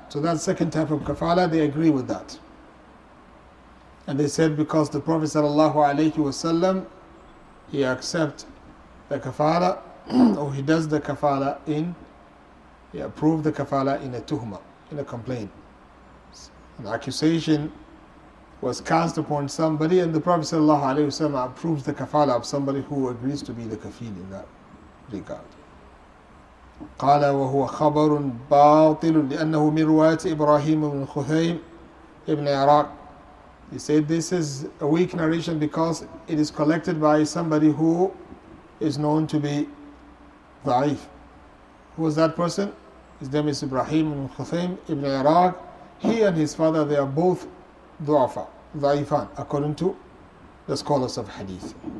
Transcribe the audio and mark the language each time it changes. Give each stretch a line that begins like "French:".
English: So that second type of kafala, they agree with that. And they said because the Prophet sallallahu alayhi wasallam, he accepts the kafala, or he does the kafala in, he approved the kafala in a tuhma, in a complaint. An accusation was cast upon somebody and the Prophet sallallahu alayhi wasallam approves the kafala of somebody who agrees to be the kafil in that regard.
Arabic: قال وهو خبر باطل لأنه من رواية إبراهيم بن خثيم ابن عراق.
English: He said this is a weak narration because it is collected by somebody who is known to be ضعيف. Who is that person? His name is إبراهيم بن خثيم ابن عراق. He and his father, they are both ضعيفان according to the scholars of hadith.